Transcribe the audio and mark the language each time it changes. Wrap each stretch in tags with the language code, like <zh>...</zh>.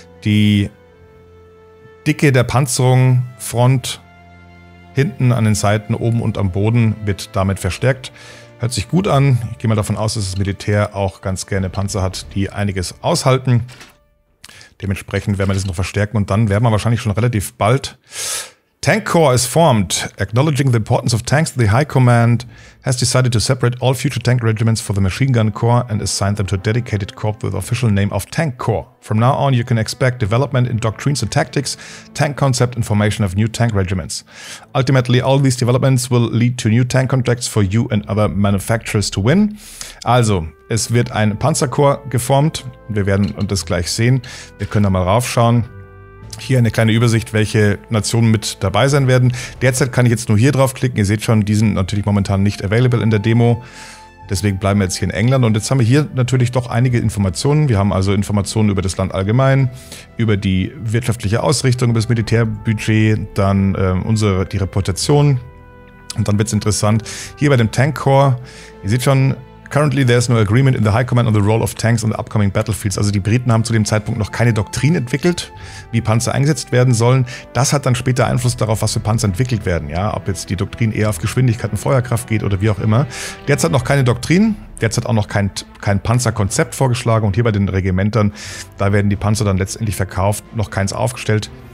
<de>Die Dicke der Panzerung, Front, hinten an den Seiten, oben und am Boden wird damit verstärkt. Hört sich gut an. Ich gehe mal davon aus, dass das Militär auch ganz gerne Panzer hat, die einiges aushalten. Dementsprechend werden wir das noch verstärken und dann werden wir wahrscheinlich schon relativ bald.</de> <en>Tank Corps is formed, acknowledging the importance of tanks, the High Command has decided to separate all future tank regiments for the Machine Gun Corps and assign them to a dedicated corps with the official name of Tank Corps. From now on, you can expect development in doctrines and tactics, tank concept and formation of new tank regiments. Ultimately, all these developments will lead to new tank contracts for you and other manufacturers to win.</en> <de>Also, es wird ein Panzerkorps geformt. Wir werden uns das gleich sehen. Wir können da mal raufschauen. Hier eine kleine Übersicht, welche Nationen mit dabei sein werden. Derzeit kann ich jetzt nur hier draufklicken. Ihr seht schon, die sind natürlich momentan nicht available in der Demo. Deswegen bleiben wir jetzt hier in England. Und jetzt haben wir hier natürlich doch einige Informationen. Wir haben also Informationen über das Land allgemein, über die wirtschaftliche Ausrichtung, über das Militärbudget, dann die Reputation. Und dann wird es interessant. Hier bei dem Tank Corps, ihr seht schon,</de> <en>Currently there is no agreement in the High Command on the role of tanks on the upcoming battlefields.</en> <de>Also die Briten haben zu dem Zeitpunkt noch keine Doktrin entwickelt, wie Panzer eingesetzt werden sollen. Das hat dann später Einfluss darauf, was für Panzer entwickelt werden. Ja, ob jetzt die Doktrin eher auf Geschwindigkeit und Feuerkraft geht oder wie auch immer. Derzeit noch keine Doktrin. Derzeit auch noch kein Panzerkonzept vorgeschlagen. Und hier bei den Regimentern, da werden die Panzer dann letztendlich verkauft, noch keins aufgestellt.</de>